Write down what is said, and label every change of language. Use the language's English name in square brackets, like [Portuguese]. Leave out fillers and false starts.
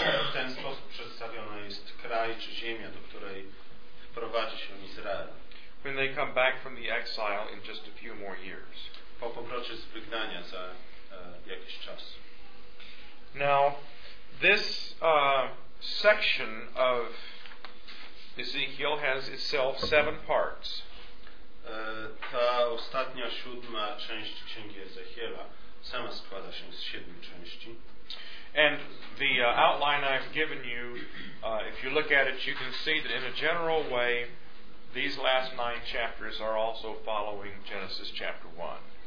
[Polish] W ten sposób przedstawiona jest kraj czy ziemia, do której wprowadzi się Izrael. [English] When they come back from the exile in just a few more years. [Polish] Po powrocie z wygnania za jakiś czas. [English] Now, this section of Ezekiel has itself 7 parts. [Polish] Ta ostatnia, 7 część Księgi Ezechiela sama składa się z 7 części. [English] And the outline I've given you, if you look at it, you can see that in a general way, these last 9 chapters are also following Genesis chapter 1.